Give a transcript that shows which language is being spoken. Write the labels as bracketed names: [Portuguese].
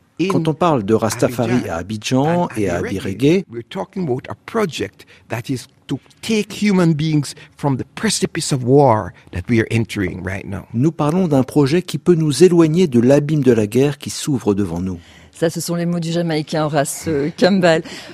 [French] Quand on parle de Rastafari à Abidjan et à Abirégué, [English] we're talking about a project that is to take human beings from the precipice of war that we are entering right now. [French] Nous parlons d'un projet qui peut nous éloigner de l'abîme de la guerre qui s'ouvre devant nous. Ça, ce sont les mots du Jamaïcain Horace Campbell.